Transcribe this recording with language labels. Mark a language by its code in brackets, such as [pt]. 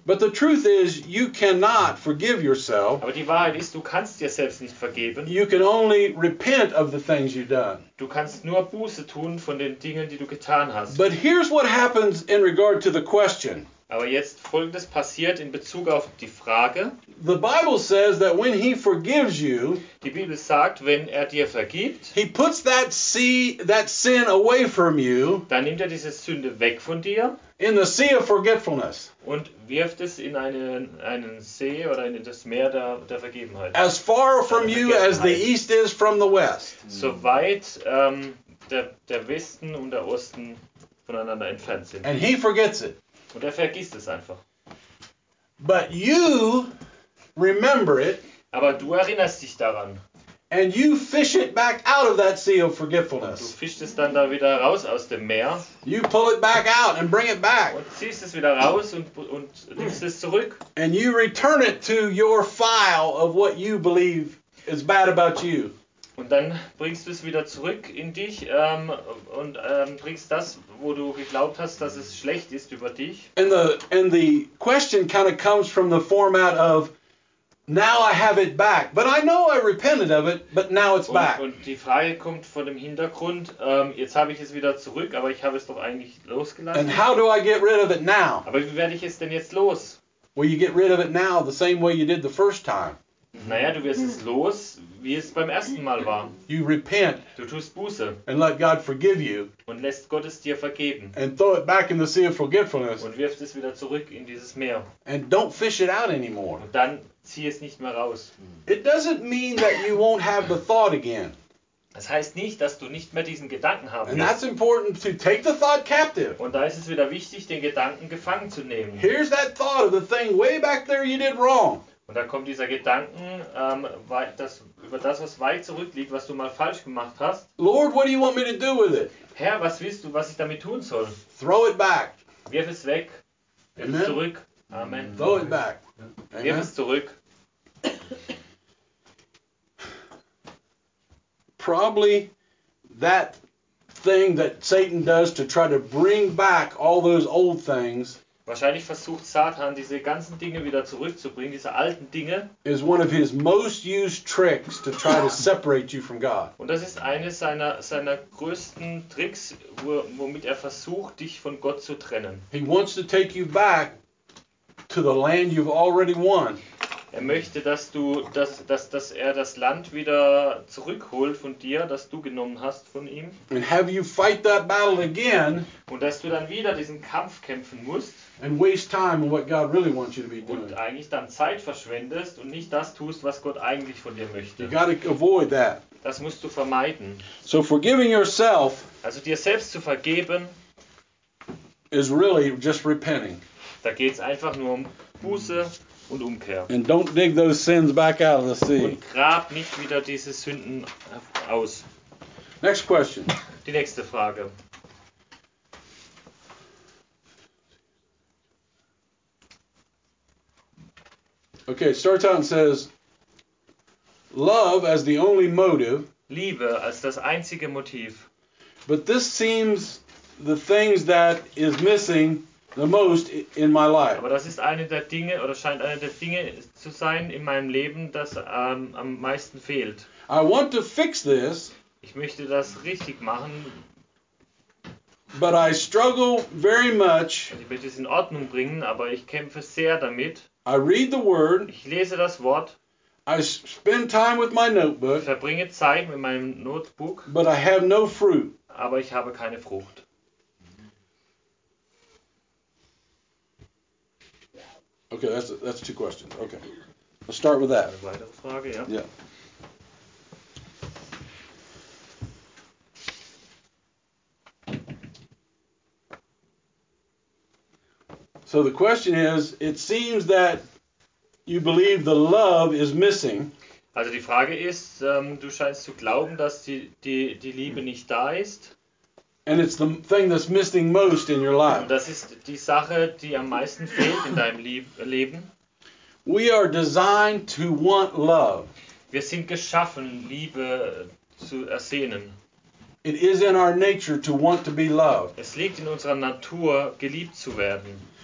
[en] But the truth is, you cannot forgive yourself. [de] Aber die Wahrheit ist, du kannst dir selbst nicht vergeben. [en] You can only repent of the things you've done. [de] Du kannst nur Buße tun von den Dingen, die du getan hast. [en] But here's what happens in regard to the question. [de] Aber jetzt folgendes passiert in Bezug auf die Frage. [en] The Bible says that when he forgives you, [de] die Bibel sagt, wenn er dir vergibt, [en] he puts that sin away from you, [de] dann nimmt er diese Sünde weg von dir, [en] in the sea of forgetfulness, [de] und wirft es in einen See oder in das Meer der Vergebenheit. [en] As far from you as the east is from the west. [de] So weit der Westen und der Osten voneinander entfernt sind. [en] And he forgets it. [de] Und er vergisst es einfach. [en] But you remember it. [de] Aber du erinnerst dich daran. [en] And you fish it back out of that sea of forgetfulness. [de] Und du fischst es dann da wieder raus aus dem Meer. [en] You pull it back out and bring it back. [de] Und ziehst es wieder raus und nimmst es zurück. [en] And you return it to your file of what you believe is bad about you. [de] Und dann bringst du es wieder zurück in dich und bringst das, wo du geglaubt hast, dass es schlecht ist über dich. [en] And the question kind of comes from the format of now I have it back, but I know I repented of it, but now it's back. [de] Und die Frage kommt von dem Hintergrund, jetzt habe ich es wieder zurück, aber ich habe es doch eigentlich losgelassen. [en] And how do I get rid of it now? [de] Aber wie werde ich es denn jetzt los? [en] Well, you get rid of it now the same way you did the first time. [de] Naja, du wirst es los, wie es beim ersten Mal war. [en] You repent. [de] Du tust Buße. [en] And let God forgive you. [de] Und lässt Gott es dir vergeben. [en] And throw it back in the sea of forgetfulness. [de] Und wirfst es wieder zurück in dieses Meer. [en] And don't fish it out anymore. [de] Und dann zieh es nicht mehr raus. [en] It doesn't mean that you won't have the thought again. [de] Das heißt nicht, dass du nicht mehr diesen Gedanken haben wirst. [en] And that's important to take the thought captive. [de] Und da ist es wieder wichtig, den Gedanken gefangen zu nehmen. [en] Here's that thought of the thing way back there you did wrong. [de] Und da kommt dieser Gedanken, über das, was weit zurückliegt, was du mal falsch gemacht hast. [en] Lord, what do you want me to do with it? [de] Herr, was willst du, was ich damit tun soll? [en] Throw it back. [de] Wirf es weg. Wirf es zurück. Amen. [en] Throw it back. [de] Wirf es zurück. [en] Probably that thing that Satan does to try to bring back all those old things. [de] Wahrscheinlich versucht Satan, diese ganzen Dinge wieder zurückzubringen, diese alten Dinge. [en] Is one of his most used tricks to try to separate you from God. [de] Und das ist eines seiner größten Tricks, womit er versucht, dich von Gott zu trennen. [en] He wants to take you back to the land you've already won. [de] Er möchte, dass er das Land wieder zurückholt von dir, das du genommen hast von ihm. [en] And have you fight that battle again? [de] Und dass du dann wieder diesen Kampf kämpfen musst. [en] And waste time on what God really wants you to be doing. [de] Und eigentlich dann Zeit verschwendest und nicht das tust, was Gott eigentlich von dir möchte. [en] You gotta avoid that. [de] Das musst du vermeiden. [en] So forgiving yourself. [de] Also dir selbst zu vergeben. [en] Is really just repenting. [de] Da geht's einfach nur um Buße und Umkehr. [en] And don't dig those sins back out of the sea. [de] Und grab nicht wieder diese Sünden aus. [en] Next question. [de] Die nächste Frage. [en] Okay, starts out and says, love as the only motive. [de] Liebe als das einzige Motiv. [en] But this seems the things that is missing the most in my life. [de] Aber das ist eine der Dinge, oder scheint eine der Dinge zu sein in meinem Leben, das am meisten fehlt. [en] I want to fix this. [de] Ich möchte das richtig machen. [en] But I struggle very much. [de] Ich möchte es in Ordnung bringen, aber ich kämpfe sehr damit. [en] I read the word. [de] Ich lese das Wort. [en] I spend time with my notebook. [de] Verbringe Zeit mit meinem Notebook. [en] But I have no fruit. [de] Aber ich habe keine Frucht. [en] Okay, that's two questions. Okay. Let's start with that. [de] Eine weitere Frage, ja. [en] Yeah. So the question is, it seems that you believe the love is missing. [de] Also die Frage ist, du scheinst zu glauben, dass die Liebe nicht da ist. [en] And it's the thing that's missing most in your life. [de] Das ist die Sache, die am meisten fehlt in deinem Leben. [en] We are designed to want love. [de] Wir sind geschaffen, Liebe zu ersehnen. [en] It is in our nature to want to be loved. [de] Es liegt in unserer Natur, geliebt zu werden.